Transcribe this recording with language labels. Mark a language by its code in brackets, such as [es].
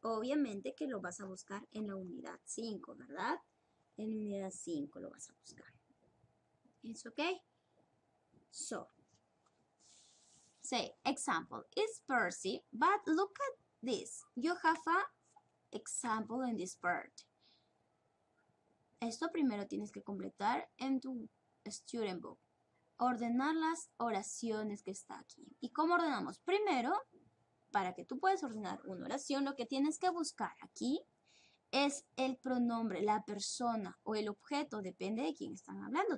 [es] Obviamente que lo vas a buscar en la unidad 5, ¿verdad? En la unidad 5 lo vas a buscar. ¿Es ok? [en] So, say, example, is Percy, but look at this. You have a example in this part. [es] Esto primero tienes que completar en tu student book. Ordenar las oraciones que está aquí. ¿Y cómo ordenamos? Primero, para que tú puedas ordenar una oración, lo que tienes que buscar aquí es el pronombre, la persona o el objeto, depende de quién están hablando.